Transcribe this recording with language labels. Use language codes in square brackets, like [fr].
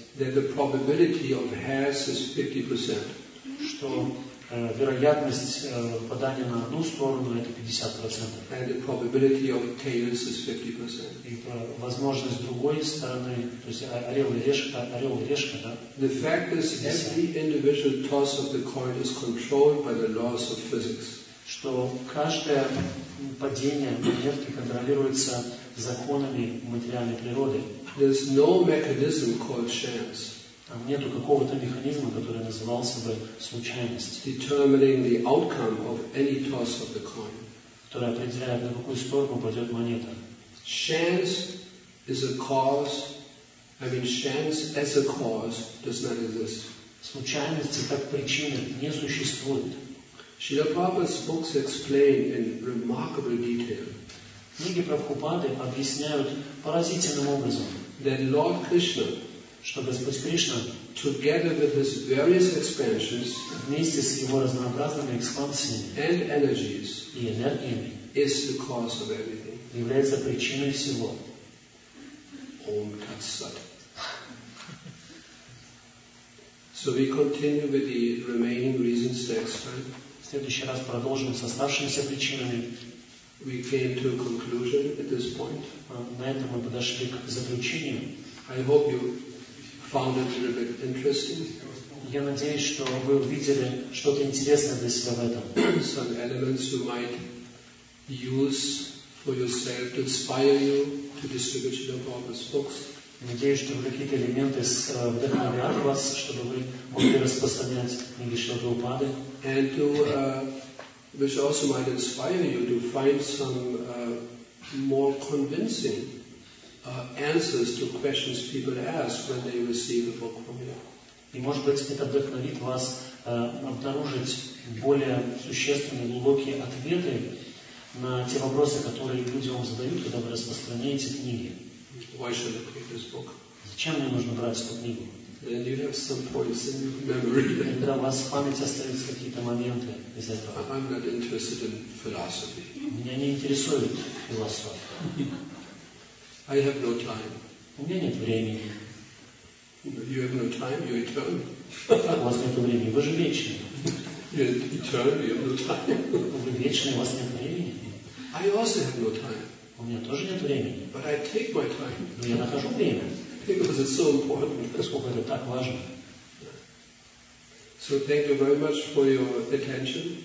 [en] that the probability of heads is 50%, [ru] что вероятность попадания на одну сторону это 50%, [en] and the probability of tails is 50%, [ru] и возможность другой стороны, то есть орел и решка, да? [en] The fact is, every individual toss of the coin is controlled by the laws of physics. [ru] Что каждое падение монетки контролируется законами материальной природы. [en] There's no mechanism called chance. [ru] Там нету какого-то механизма, который назывался бы случайность. [en] Determining the outcome of any toss of the coin. [ru] Которая определяет, на какую сторону пойдет монета. [en] Chance is a cause. I mean, chance as a cause does not exist. [ru] Случайности как причины не существует. [en] Srila Prabhupada's books explain in remarkable detail. [ru] Книги Прабхупады объясняют поразительным образом, [en] that Lord Krishna, [ru] что Господь Кришна, [en] together with his various expansions, [ru] вместе с его разнообразными экспансиями, [en] and energies, [ru] и энергиями, [en] is the cause of everything. [ru] Является причиной всего. [sa] Om Tat Sat. [en] So we continue with the remaining reasons next time. [ru] В следующий раз продолжим с оставшимися причинами. [en] We came to a conclusion at this point. [ru] На этом мы подошли к заключению. [en] I hope you found it a little bit interesting. [ru] Я надеюсь, что вы увидели что-то интересное для себя в этом. [en] Some elements you might use for yourself to inspire you to distribute your Prabhupada's books. [ru] Надеюсь, что какие-то элементы вдохновят вас, чтобы вы могли распространять книги Шрилы Прабхупады. [en] And to, which also might inspire you to find some more convincing answers to questions people ask when they receive a book from you. [ru] И может быть это вдохновит вас обнаружить более существенные, глубокие ответы на те вопросы, которые люди вам задают, когда вы распространяете книги. [en] Why should I take this book? [ru] Зачем мне нужно брать эту книгу? [en] Then you have some points in your memory. [ru] Тогда у вас в памяти остаются какие-то моменты из этого. [en] I'm not interested in philosophy. [ru] Меня не интересует философия. [en] I have no time. [ru] У меня нет времени. [en] You have no time, you're eternal. [ru] У вас нет времени, вы же вечны. [en] You're eternal, you have no time. [ru] Вы вечны, у вас нет времени. [en] I also have no time. [ru] У меня тоже нет времени. [en] But I take my time. [ru] Но я нахожу время. [en] Because it's so important. [ru] Поскольку это так важно. [en] So thank you very much for your attention.